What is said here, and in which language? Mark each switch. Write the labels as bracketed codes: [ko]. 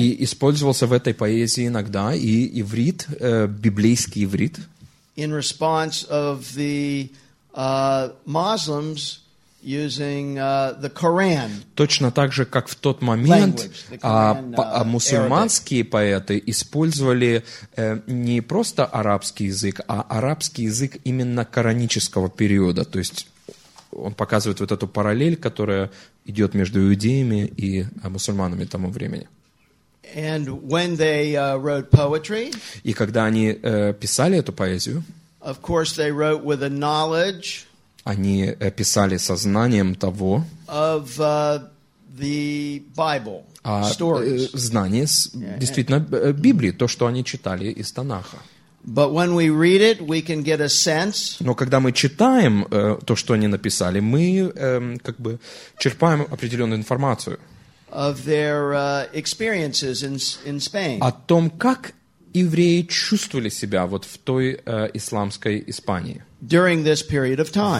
[ru] И использовался в этой поэзии иногда и иврит, библейский иврит. [en] In response of the Muslims using the Quran. [ru] Точно так же, как в тот момент, мусульманские [en] Arabic. [ru] Поэты использовали не просто арабский язык, а арабский язык именно коранического периода. То есть он показывает вот эту параллель, которая идет между иудеями и мусульманами тому времени. [en] And when they wrote poetry, [ru] и когда они писали эту поэзию, [en] of course they wrote with a knowledge. [ru] Они писали со знанием того, [en] of, the Bible, [ru] знание с, yeah, действительно Библии, то, что они читали из Танаха. [en] But when we read it, we can get a sense. [ru] Но когда мы читаем то, что они написали, мы как бы черпаем определенную информацию [en] of their, experiences in Spain. [ru] О том, как евреи чувствовали себя вот в той исламской Испании. [en] During this period of time.